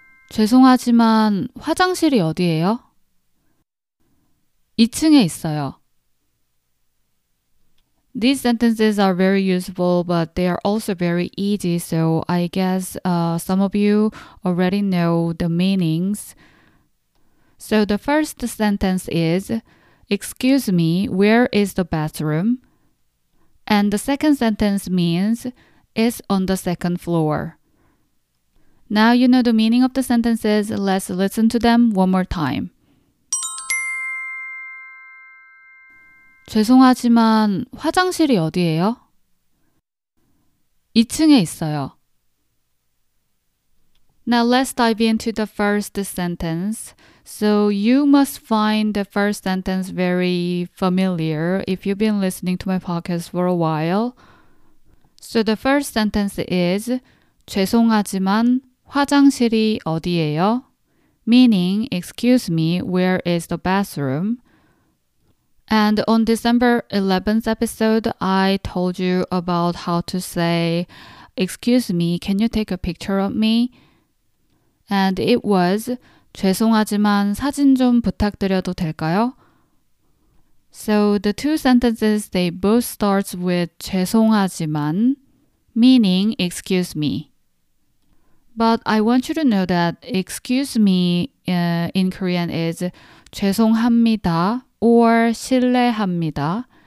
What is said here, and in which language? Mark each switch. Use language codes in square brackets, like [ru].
[ko] 죄송하지만 화장실이 어디예요? 2층에 있어요. [en] These sentences are very useful, but they are also very easy, so I guess some of you already know the meanings. So the first sentence is, excuse me, where is the bathroom? And the second sentence means, it's on the second floor. Now you know the meaning of the sentences, let's listen to them one more time. [ko] 죄송하지만 화장실이 어디예요? 2층에 있어요. [en] Now let's dive into the first sentence. So you must find the first sentence very familiar if you've been listening to my podcast for a while. So the first sentence is [ko] 죄송하지만 화장실이 어디예요? [en] Meaning, excuse me, where is the bathroom? And on December 11th episode, I told you about how to say, excuse me, can you take a picture of me? And it was, [ko] 죄송하지만 사진 좀 부탁드려도 될까요? [en] So the two sentences, they both start with 죄송하지만, meaning excuse me. But I want you to know that excuse me in Korean is [ko] 죄송합니다. Or 실례합니다.